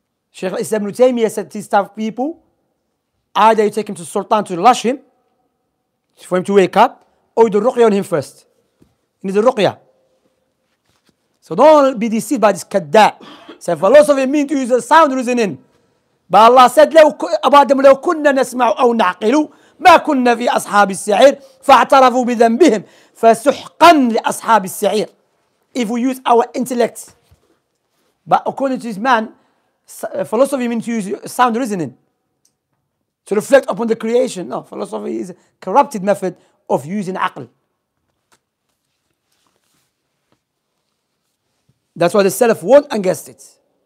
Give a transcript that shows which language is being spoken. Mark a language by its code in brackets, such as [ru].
[en] Sheikh Islam Ibn Taymiyyah said to these type of people, either you take him to Sultan to lash him for him to wake up, or you do ruqya on him first. You need a ruqya. So don't be deceived by this kadda. So philosophy means to use a sound reasoning. But Allah said, about them, [ar] لو كنا نسمع أو نعقل ما كنا في أصحاب السعير فاعترفوا بذنبهم فسحقا لأصحاب السعير. [en] If we use our intellect. But according to this man, philosophy means to use sound reasoning to reflect upon the creation. No, philosophy is a corrupted method of using aql. That's why the Salaf warned against it.